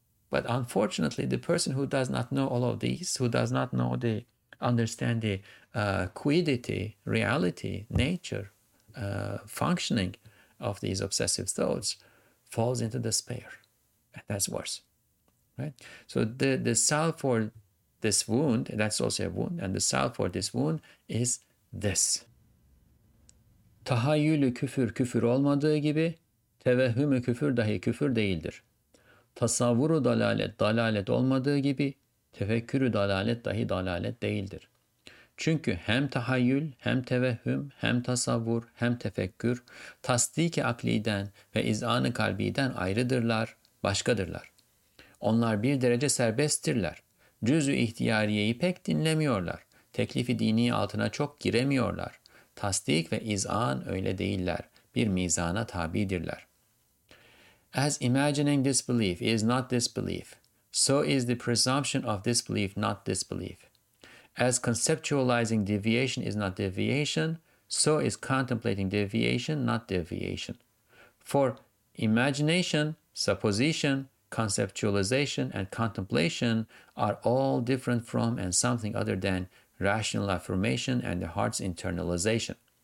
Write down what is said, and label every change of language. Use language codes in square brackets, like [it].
[en] But unfortunately, the person who does not know all of these, who does not know the understand the quiddity, reality, nature, functioning of these obsessive thoughts, falls into despair. And that's worse, right? So the salve for this wound, that's also a wound, and the salve for this wound is this. [tr] Tahayyülü küfür küfür olmadığı gibi, tevehhümü küfür dahi küfür değildir. Tasavvuru dalalet, dalalet olmadığı gibi, tefekkürü dalalet dahi dalalet değildir. Çünkü hem tahayyül, hem tevehhüm, hem tasavvur, hem tefekkür, tasdik-i akliden ve izan-ı kalbiden ayrıdırlar, başkadırlar. Onlar bir derece serbesttirler. Cüz-ü ihtiyariyeyi pek dinlemiyorlar. Teklifi dini altına çok giremiyorlar. Tasdik ve izan öyle değiller. Bir mizana tabidirler. [en] As imagining disbelief is not disbelief, so is the presumption of disbelief not disbelief. As conceptualizing deviation is not deviation, so is contemplating deviation not deviation. For imagination, supposition, conceptualization, and contemplation are all different from and something other than rational affirmation and the heart's internalization.